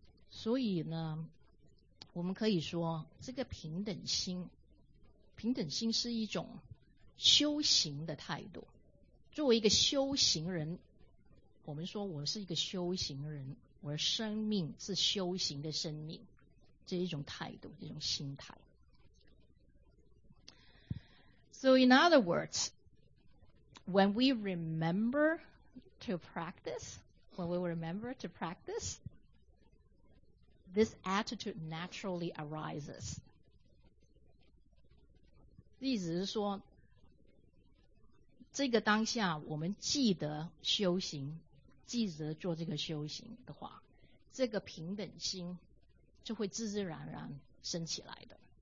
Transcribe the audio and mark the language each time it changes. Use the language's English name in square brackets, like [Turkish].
[Chinese] 所以呢，我们可以说这个平等心是一种修行的态度。作为一个修行人，我们说我是一个修行人，我的生命是修行的生命，这一种态度，这种心态。 [English] So in other words, when we remember to practice, when we remember to practice, this attitude naturally arises. [Chinese] 意思是说这个当下我们记得修行，记得做这个修行的话，这个平等心就会自自然然升起来的。